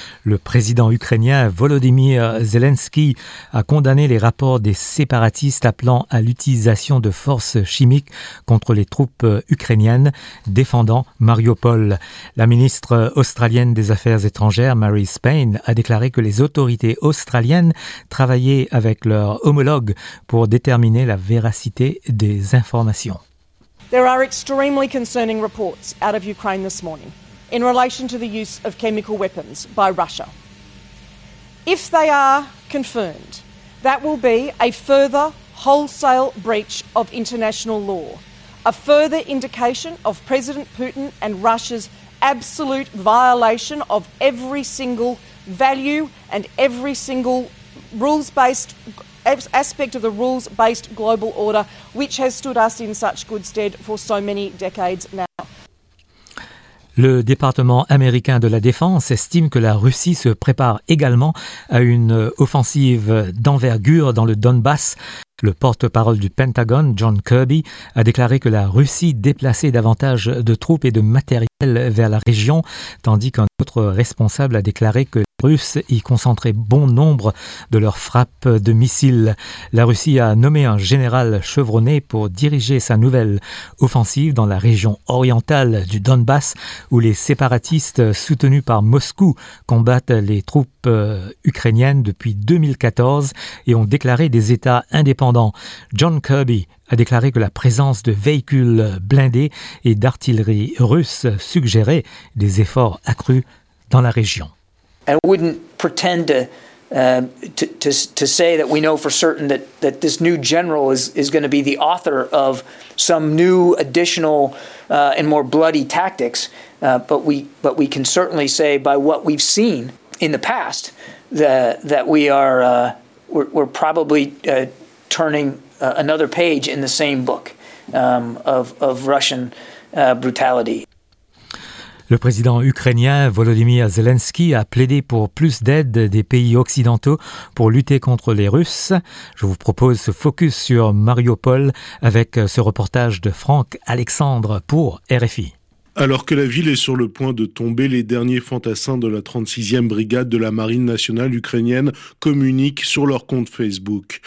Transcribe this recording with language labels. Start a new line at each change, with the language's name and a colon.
French: Le président ukrainien Volodymyr Zelensky a condamné les rapports des séparatistes appelant à l'utilisation de forces chimiques contre les troupes ukrainiennes défendant Mariupol. La ministre australienne des Affaires étrangères, Mary Spain, a déclaré que les autorités australiennes travaillaient avec leur homologue pour déterminer la véracité des informations.
English: There are extremely concerning reports out of Ukraine this morning in relation to the use of chemical weapons by Russia. If they are confirmed, that will be a further wholesale breach of international law, a further indication of President Putin and Russia's absolute violation of every single value and every single rules-based aspect of the rules-based global order, which has stood us in such good stead for so many decades now.
French: Le département américain de la défense estime que la Russie se prépare également à une offensive d'envergure dans le Donbass. Le porte-parole du Pentagone, John Kirby, a déclaré que la Russie déplaçait davantage de troupes et de matériel vers la région, tandis qu'un autre responsable a déclaré que les Russes y concentraient bon nombre de leurs frappes de missiles. La Russie a nommé un général chevronné pour diriger sa nouvelle offensive dans la région orientale du Donbass, où les séparatistes soutenus par Moscou combattent les troupes ukrainiennes depuis 2014 et ont déclaré des États indépendants. Cependant, John Kirby a déclaré que la présence de véhicules blindés et d'artillerie russe suggérait des efforts accrus dans la région.
English: I wouldn't pretend to say that we know for certain that this new general is going to be the author of some new additional and more bloody tactics, but we can certainly say by what we've seen in the past that we're probably turning another page in the same book of Russian brutality.
French: Le président ukrainien Volodymyr Zelensky a plaidé pour plus d'aide des pays occidentaux pour lutter contre les Russes. Je vous propose ce focus sur Mariupol avec ce reportage de Franck Alexandre pour RFI. Alors que la ville est sur le point de tomber, les derniers fantassins de la 36e brigade de la marine nationale ukrainienne communiquent sur leur compte Facebook.